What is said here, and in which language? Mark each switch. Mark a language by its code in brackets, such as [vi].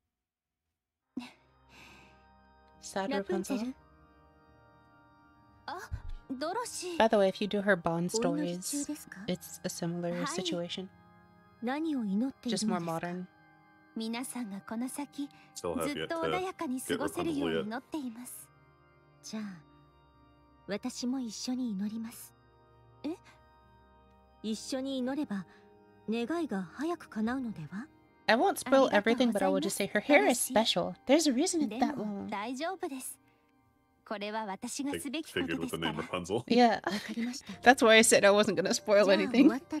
[ja] はい、そうだと思ってました。行ってきます。 [en] Sad Rapunzel? [ja] あ、ドロシー。 [en] By the way, if you do her Bond stories, it's a similar situation. [ja] 何を祈っているんですか? [en] Just more modern. [ja] 皆さんがこの先ずっと穏やかに過ごせるよう祈っています。じゃあ、私も一緒に祈ります。え？一緒に祈れば願いが早く叶うのでは? [en] I won't spoil everything, but I will just say her hair is special. There's a reason it's that long. [ja] 大丈夫です。これは私がすべきことですから。 [en] Yeah. That's why I said I wasn't gonna spoil anything.